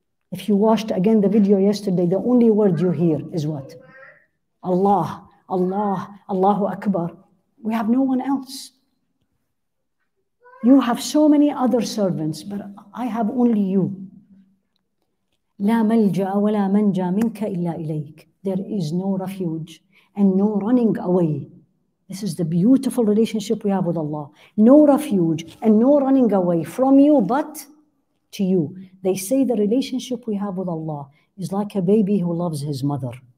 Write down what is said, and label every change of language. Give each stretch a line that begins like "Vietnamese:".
English: If you watched again the video yesterday, the only word you hear is what? Allah, Allah, Allahu Akbar. We have no one else. You have so many other servants, but I have only you.
Arabic: لا ملجأ ولا منجا منك إلا إليك.
English: There is no refuge and no running away. This is the beautiful relationship we have with Allah. No refuge and no running away from you, but to you. They say the relationship we have with Allah is like a baby who loves his mother.